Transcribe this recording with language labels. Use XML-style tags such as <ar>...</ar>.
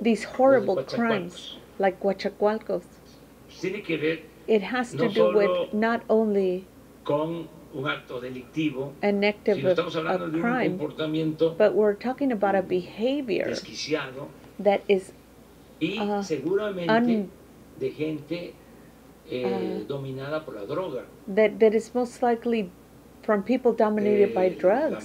<en>these horrible crimes like Guachacualcos</en> <es>tiene que ver.</es> <en>It has to</en> <es>no</es> <en>do with not only</en> <es>con un acto delictivo,</es> <en>an act of a crime, but we're talking about a behavior that is</en> <es>y seguramente de gente dominada por la droga.</es> <en>That is most likely from people dominated by drugs.</en>